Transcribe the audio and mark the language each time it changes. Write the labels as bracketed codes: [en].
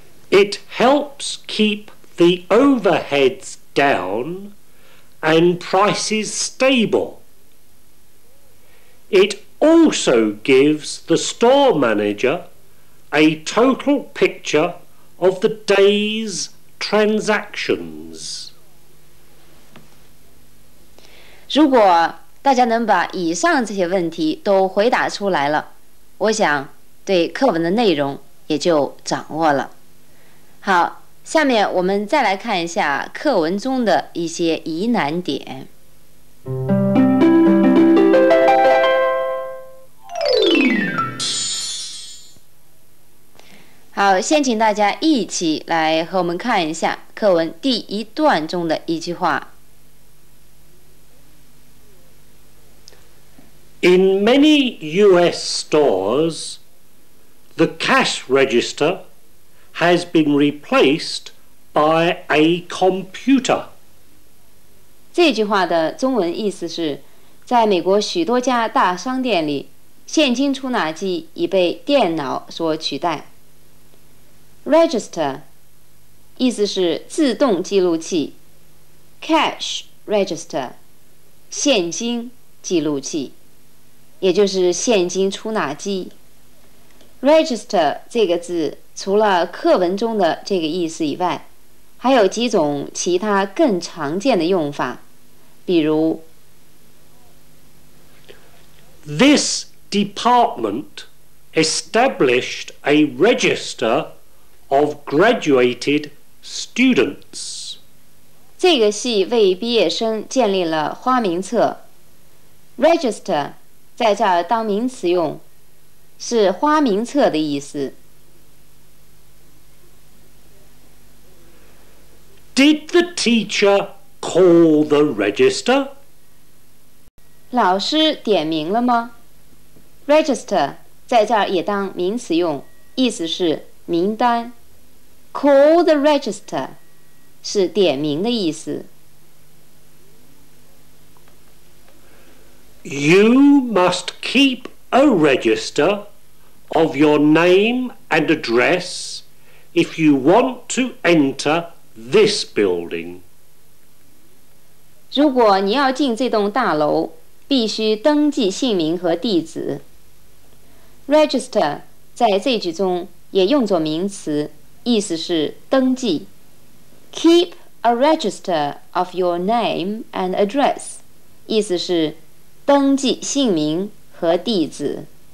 [en] It helps keep the overheads down and prices stable. It also gives the store manager a total picture of the day's transactions. [zh] 如果大家能把以上这些问题都回答出来了，我想对课文的内容也就掌握了。好，下面我们再来看一下课文中的一些疑难点。好，先请大家一起来和我们看一下课文第一段中的一句话。 [en] In many US stores, the cash register has been replaced by a computer. [zh] 这句话的中文意思是，在美国许多家大商店里，现金出纳机已被电脑所取代。Register 意思是自动记录器 Cash register 现金记录器，也就是现金出纳机。 Register 这个字除了课文中的这个意思以外，还有几种其他更常见的用法，比如 [en] This department established a register of graduated students. [zh] 这个系为毕业生建立了花名册。 Register 在这儿当名词用，是花名册的意思。 [en] Did the teacher call the register? [zh] 老师点名了吗？Register 在这儿也当名词用，意思是名单。 Call the register 是点名的意思。 [en] You must keep a register of your name and address if you want to enter this building. [zh] 如果你要进这栋大楼，必须登记姓名和地址。 Register 在这句中也用作名词，意思是登记。 Keep a register of your name and address，意思是登记姓名和地址。